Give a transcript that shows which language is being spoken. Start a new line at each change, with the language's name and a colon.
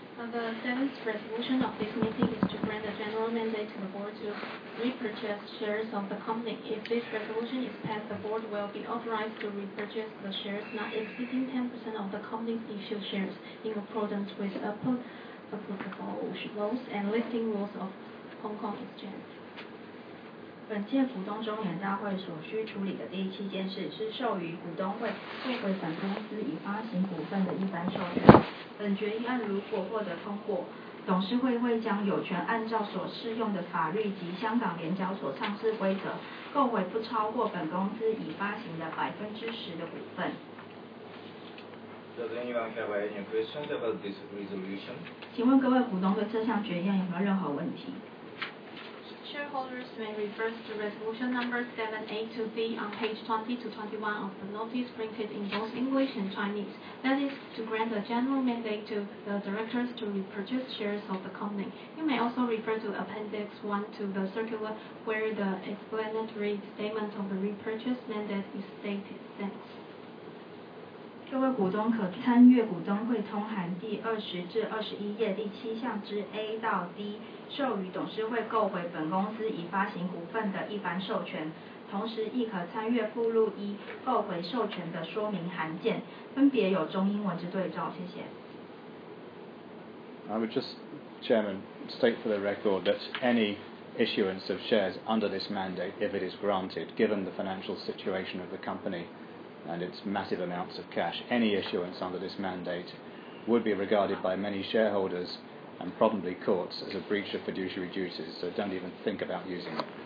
English: The seventh resolution of this meeting is to grant a general mandate to the board to repurchase shares of the company. If this resolution is passed, the board will be authorized to repurchase the shares not exceeding 10% of the company's issued shares in accordance with applicable laws and listing rules of Hong Kong Exchange.
Chinese: 本届股东周年大会所需处理的第七件事是授予股东会为回转公司已发行股份的一般授权。本决议案如果获得通过，董事会会将有权按照所适用的法律及香港联交所上市规则，购回不超过本公司已发行的10%的股份。
English: Does anyone have any questions about this resolution?
Chinese: 请问各位股东对这项决议案有没有任何问题？
English: Shareholders may refer to resolution number 7A2B on page 20 to 21 of the notice printed in both English and Chinese. That is to grant a general mandate to the directors to repurchase shares of the company. You may also refer to Appendix 1 to the circular where the explanatory statement of the repurchase mandate is stated. Thanks.
Chinese: 各位股东可参阅股东会通函第20-21页第七项之 A 到 D， 授予董事会购回本公司已发行股份的一般授权，同时亦可参阅附录一购回授权的说明函件，分别有中英文之对照，谢谢。
English: I would just, Chairman, state for the record that any issuance of shares under this mandate, if it is granted, given the financial situation of the company. And its massive amounts of cash. Any issuance under this mandate would be regarded by many shareholders and probably courts as a breach of fiduciary duties, so don't even think about using it.